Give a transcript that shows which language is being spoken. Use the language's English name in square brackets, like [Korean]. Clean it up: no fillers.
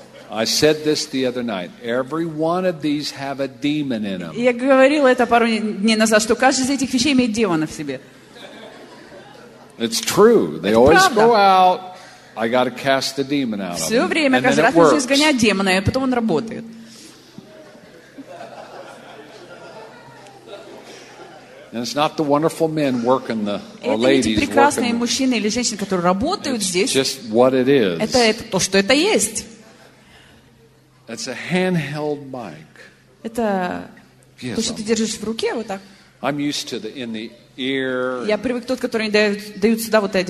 [English] I said this the other night. Every one of these have a demon in them. [Russian] Я говорил это пару дней назад, что каждый из этих вещей имеет демона в себе. [English] It's true. They always go out. I got to cast the demon out of him. [Russian] Все время, каждый раз нужно изгонять демона, и потом он работает. [English] And it's not the wonderful men working the or ladies working. [Russian] Прекрасные мужчины или женщины, которые работают [English] it's [Russian] здесь. [English] Just what it is. [Russian] Это то, что это есть. [English] That's a handheld mic. [Russian] Это то, что ты держишь в руке, вот так. [English] I'm used to the in the ear. [Russian] Я привык тот, который дают сюда вот эти